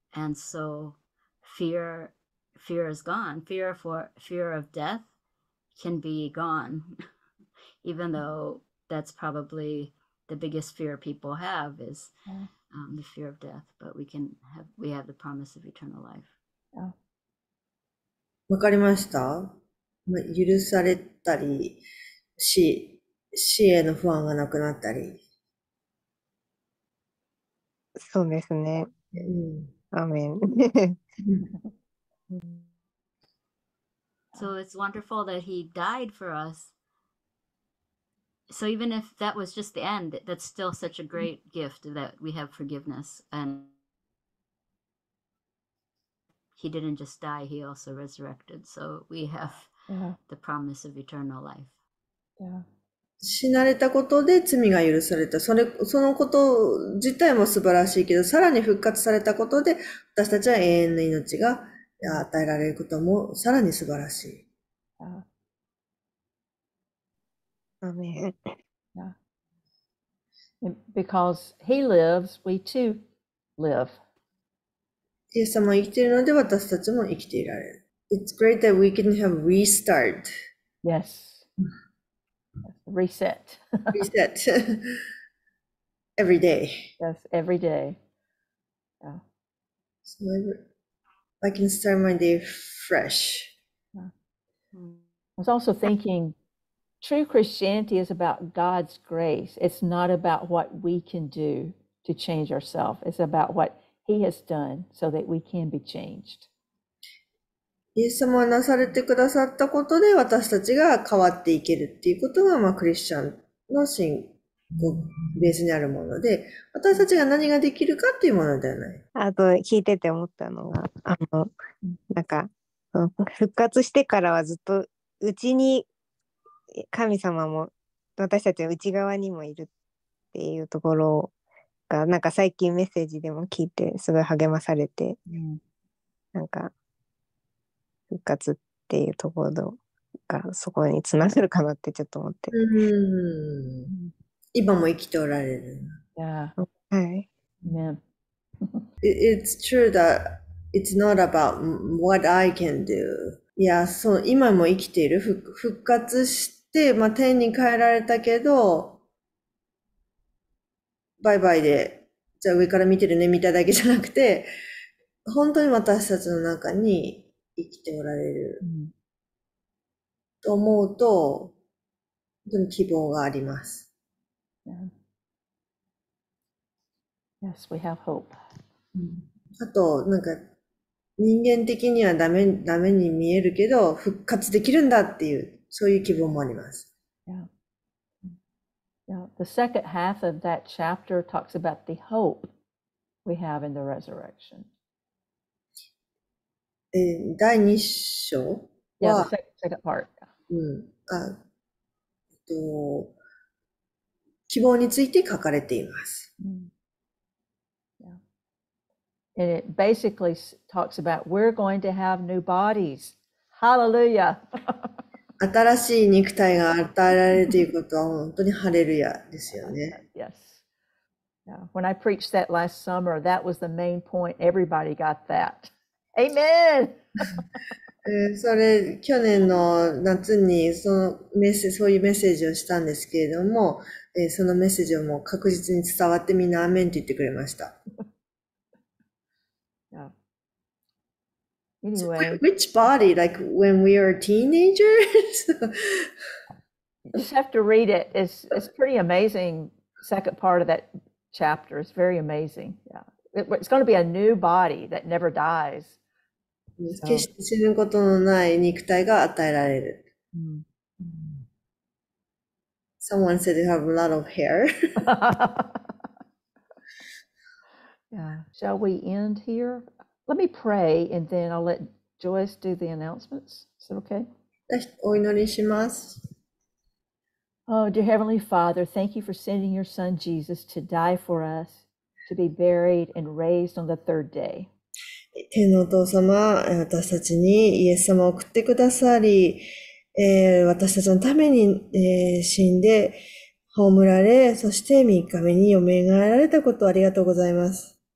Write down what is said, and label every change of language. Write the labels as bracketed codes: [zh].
[en] And so fear is gone. Fear of death can be gone, even though that's probably the biggest fear people have is the fear of death. But we have the promise of eternal life. [ja] わかりました。許されたり、死への不安がなくなったり、そうですね、アーメン。 [en] So it's wonderful that he died for us. So even if that was just the end, that's still such a great gift that we have forgiveness and He didn't just die, he also resurrected. So we have the promise of eternal life. Yeah. [ja] 死なれたことで罪が許された。それ、そのこと自体も素晴らしいけど、さらに復活されたことで、私たちは永遠の命が与えられることもさらに素晴らしい。アメン。 [en] Because he lives, we too live. [ja] イエス様は生きているので私たちも生きていられる。 [en] It's great that we can have restart. Yes. Reset. Reset. Every day. Yes, every day. Yeah. So I can start my day fresh. Yeah. I was also thinking, true Christianity is about God's grace. It's not about what we can do to change ourselves. It's about what He has done so that we can be changed. [ja] イエス様はなされてくださったことで私たちが変わっていけるっていうことが、まあ、クリスチャンの信仰ベースにあるもので、私たちが何ができるかっていうものではない。あと聞いてて思ったのが、なんか復活してからはずっとうちに神様も私たちの内側にもいるっていうところが、なんか最近メッセージでも聞いてすごい励まされて、なんか復活っていうところがそこにつながるかなってちょっと思って、うん、今も生きておられる、 [en] yeah. [ja] はい、 [en] yeah. It's true that it's not about what I can do. [ja] いや、そう、今も生きている、復活してで、まあ、天に帰られたけど、バイバイで、じゃあ上から見てるね、見ただけじゃなくて、本当に私たちの中に生きておられる。と思うと、うん、本当に希望があります。 [en] Yeah. Yes, we have hope. [ja] あと、なんか、人間的にはダメに見えるけど、復活できるんだっていう。そういう希望もあります。 [en] Yeah. Yeah. The second half of that chapter talks about the hope we have in the resurrection. [ja] 第2章は、 [en] yeah, the second part. うん。 [ja] 希望について書かれています。 [en] Yeah. And it basically talks about we're going to have new bodies. Hallelujah! [ja] 新しい肉体が与えられるということは本当にハレルヤですよね。 [en] Yes. Yeah. When I preached that last summer, that was the main point. Everybody got that. Amen! [ja] それ、去年の夏にそのメッセージ、そういうメッセージをしたんですけれども、そのメッセージをもう確実に伝わってみんなアメンって言ってくれました。 [en] Anyway. So which body? Like when we are teenagers? You just have to read it. It's pretty amazing. Second part of that chapter is very amazing. Yeah. It's going to be a new body that never dies. So. [ja] 決して死ぬことのない肉体が与えられる。 [en] Someone said they have a lot of hair. Yeah. Shall we end here? Let me pray and then I'll let Joyce do the announcements. Is that okay? [ja] お祈りします。 [en] Oh, dear Heavenly Father, thank you for sending your son Jesus to die for us, to be buried and raised on the third day. [ja] 天のお父様、私たちにイエス様を送ってくださり、私たちのために、死んで葬られ、そして3日目によみがえられたことをありがとうございます。